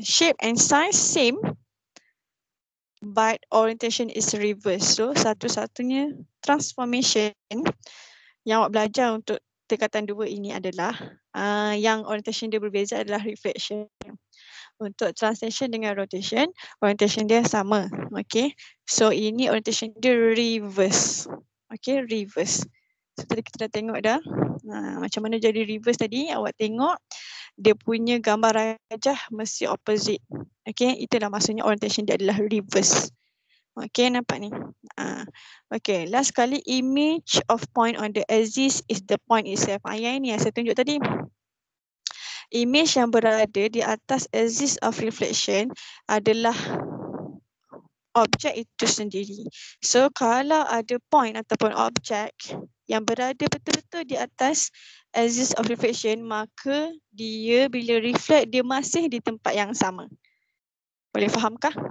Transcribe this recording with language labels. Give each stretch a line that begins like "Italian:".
English: Shape and size same, but orientation is reverse.
Malay: So satu-satunya transformation yang awak belajar untuk tingkatan dua ini adalah yang orientation dia berbeza adalah reflection. Untuk translation dengan rotation, orientation dia sama. Okay, so ini orientation dia reverse. Okay, reverse. So tadi kita dah tengok dah. Macam mana jadi reverse tadi, awak tengok dia punya gambar rajah mesti opposite. Okay, itulah maksudnya orientation dia adalah reverse. Okay, nampak ni.
English: Okay, last kali, image of point on the axis is the point itself.
Malay: Ayah ini yang saya tunjuk tadi. Image yang berada di atas axis of reflection adalah objek itu sendiri. So kalau ada point ataupun objek yang berada betul-betul di atas axis of reflection, maka dia bila reflect, dia masih di tempat yang sama. Boleh fahamkah?